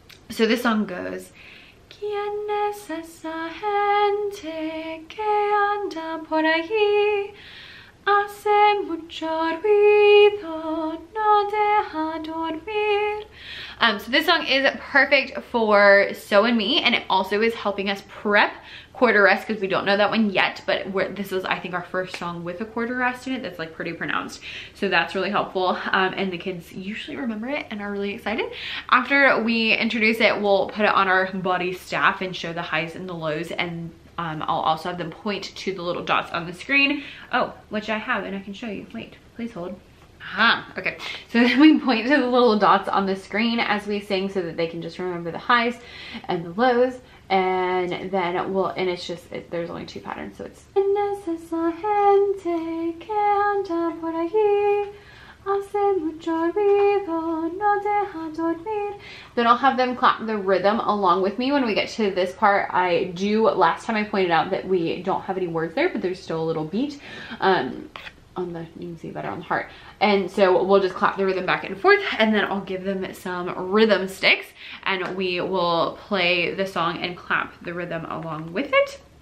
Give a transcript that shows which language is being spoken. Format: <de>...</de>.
<en>So this song goes,</en> <es>¿Quién es esa gente que anda por allí? Hace mucho ruido, no deja dormir.</es> <en>So this song is perfect for So and Me, and it also is helping us prep quarter rest, because we don't know that one yet, but this is, I think, our first song with a quarter rest in it that's like pretty pronounced. So that's really helpful. And the kids usually remember it and are really excited. After we introduce it, we'll put it on our body staff and show the highs and the lows, and I'll also have them point to the little dots on the screen. Oh, which I have and I can show you. Wait, please hold. Okay. So then we point to the little dots on the screen as we sing, so that they can just remember the highs and the lows. And then we'll, and it's just, it, there's only two patterns. So it's, and this is a</en> <es>gente que anda por allí. Hace mucho ruido, no deja dormir.</es> <en>Then I'll have them clap the rhythm along with me when we get to this part. I do, last time I pointed out that we don't have any words there, but there's still a little beat on the, you can see better on the heart. And so we'll just clap the rhythm back and forth, and then I'll give them some rhythm sticks and we will play the song and clap the rhythm along with it.</en>